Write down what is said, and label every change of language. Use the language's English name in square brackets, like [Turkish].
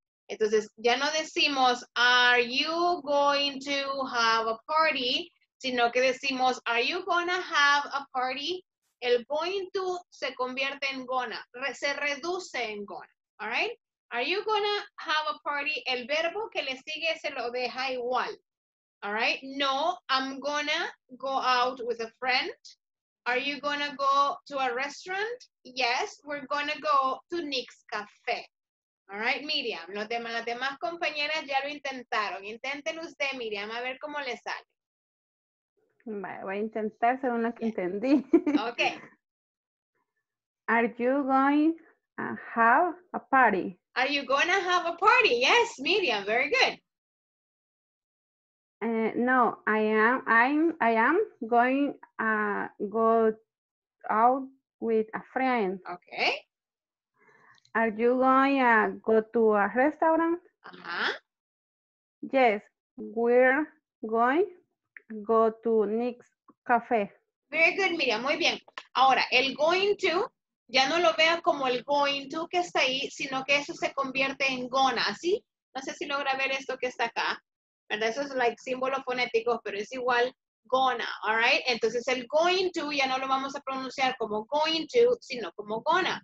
[Spanish] Entonces, ya no decimos, [English] are you going to have a party? [Spanish] Sino que decimos, [English] are you gonna have a party? [Spanish] El going to se convierte en gonna. Se reduce en gonna. All right? [English] Are you gonna have a party? [Spanish] El verbo que le sigue se lo deja igual. [English] All right, no, I'm gonna go out with a friend. Are you gonna go to a restaurant? Yes, we're gonna go to Nick's Cafe. [Spanish] All right, Miriam, las demás compañeras ya lo intentaron. Inténtelo usted, Miriam, a ver cómo le sale. Vale, voy a intentar según lo que entendí. [English] Okay. Are you going to have a party? Are you gonna have a party? Yes, Miriam, very good. No, I am going to go out with a friend. Okay. Are you going to go to a restaurant? Uh-huh. Yes, we're going to go to Nick's Cafe. Very good, Miriam. [Spanish] Muy bien. Ahora, el going to, ya no lo vea como el going to que está ahí, sino que eso se convierte en gonna, ¿sí? No sé si logra ver esto que está acá. ¿Verdad? Eso es like símbolos fonéticos, pero es igual gonna, all right? Entonces el going to ya no lo vamos a pronunciar como going to, sino como gonna.